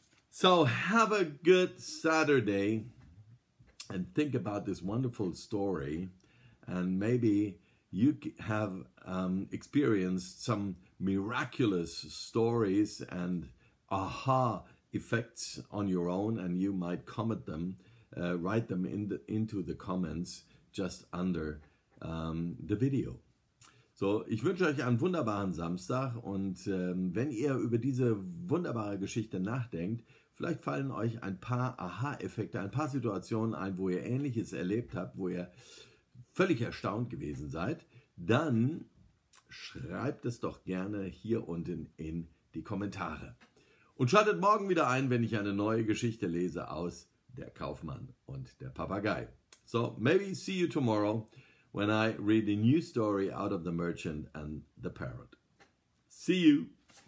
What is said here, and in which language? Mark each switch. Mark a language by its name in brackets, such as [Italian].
[English] So have a good Saturday and think about this wonderful story, and maybe you have experienced some miraculous stories and aha effects on your own, and you might comment them, write them into the comments just under the video. [German] So, ich wünsche euch einen wunderbaren Samstag, und wenn ihr über diese wunderbare Geschichte nachdenkt, vielleicht fallen euch ein paar Aha-Effekte, ein paar Situationen ein, wo ihr Ähnliches erlebt habt, wo ihr völlig erstaunt gewesen seid, dann schreibt es doch gerne hier unten in die Kommentare. Und schaltet morgen wieder ein, wenn ich eine neue Geschichte lese aus Der Kaufmann und der Papagei. [English] So, maybe see you tomorrow when I read a new story out of The Merchant and the Parrot. See you!